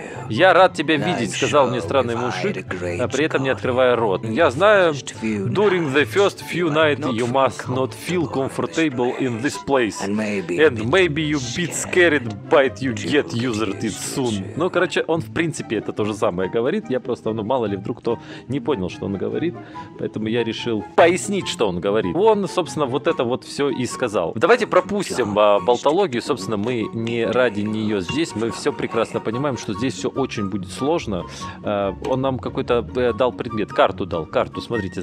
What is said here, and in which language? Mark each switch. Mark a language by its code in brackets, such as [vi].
[ru] Я рад тебя видеть, сказал мне странный мужик, а при этом не открывая рот. Я знаю, [en] during the first few nights you must not feel comfortable in this place. And maybe you bit scared, but you get used it soon. [ru] Ну, короче, он в принципе это то же самое говорит. Я просто, ну, мало ли, вдруг кто не понял, что он говорит. Поэтому я решил пояснить, что он говорит. Он, собственно, вот это вот все и сказал. Давайте пропустим болтологию. Собственно, мы не ради нее здесь. Мы все прекрасно понимаем, что здесь все очень будет сложно. Он нам какой-то дал предмет. Карту дал. Карту, смотрите.